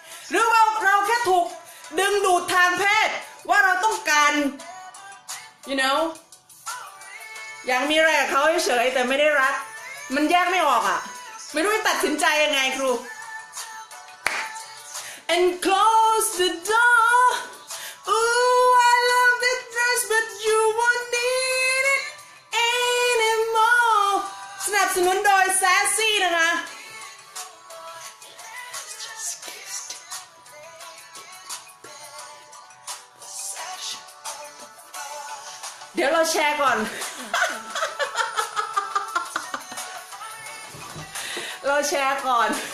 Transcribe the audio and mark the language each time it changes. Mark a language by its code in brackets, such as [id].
[th] หรือว่าเราแค่ถูกดึงดูดทางเพศว่าเราต้องการ [en] you know [th] อย่างมีอะไรกับเขาเฉยๆแต่ไม่ได้รักมันแยกไม่ออกอ่ะไม่รู้จะตัดสินใจยังไงครู [en] And close the door. Ooh, I love that dress, but you won't need it anymore. [th] สนับสนุนโดย Sassy นะคะ เดี๋ยวเราแชร์ก่อน เราแชร์ก่อน